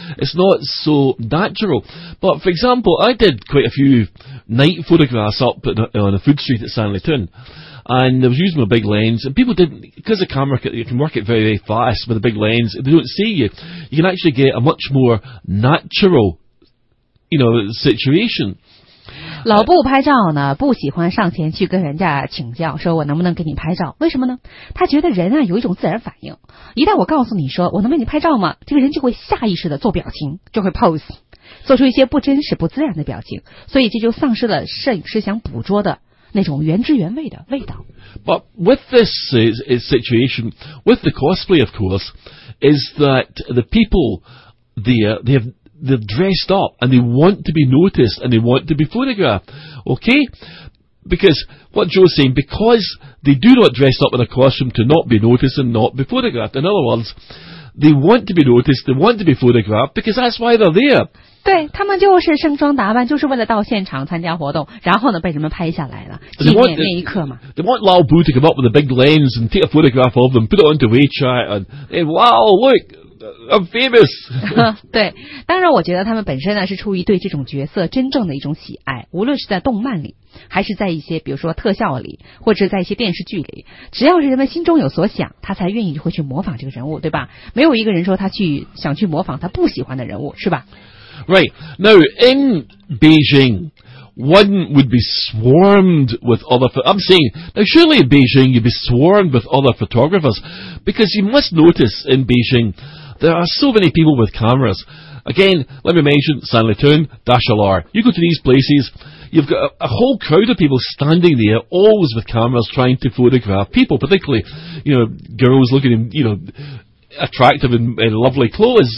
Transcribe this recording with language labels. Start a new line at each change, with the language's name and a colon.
English: It's not so natural. But, for example, I did quite a few night photographs up on a food street at Stanley Toon, and I was using my big lens, and people didn't, because the camera, you can work it very, very fast with a big lens, if they don't see you, you can actually get a much more natural, situation.
Chinese: 老布拍照呢不喜欢上前去跟人家请教说我能不能给你拍照，为什么呢？他觉得人啊有一种自然反应，一旦我告诉你说我能为你拍照吗，这个人就会下意识的做表情，就会 pose 做出一些不真实不自然的表情，所以这就丧失了摄影师想捕捉的那种原汁原味的味道。
English: But with this situation with the cosplay, of course, is that the people they're dressed up and they want to be noticed and they want to be photographed, okay? Because what Joe's saying, because they do not dress up in a costume to not be noticed and not be photographed. In other words, they want to be noticed, they want to be photographed because that's why they're there.
Chinese: 对，他们就是盛装打扮，就是为了到现场参加活动，然后呢被人们拍下来了，纪念那一刻嘛。
English: They want Lao Bu to come up with a big lens and take a photograph of them, put it onto WeChat and hey, wow, look. I'm famous.
Chinese: 对，当然我觉得他们本身呢是出于对这种角色真正的一种喜爱，无论是在动漫里还是在一些比如说特效里或者在一些电视剧里，只要是人们心中有所想，他才愿意会去模仿这个人物，对吧？没有一个人说他去想去模仿他不喜欢的人物，是吧？
English: Right. Now, in Beijing, one would be swarmed with other I'm saying, now surely in Beijing you'd be swarmed with other photographers, because you must notice in Beijing,There are so many people with cameras. Again, let me mention Stanley Toon, DSLR. You go to these places, you've got a whole crowd of people standing there, always with cameras, trying to photograph people, particularly, girls looking, attractive and lovely clothes.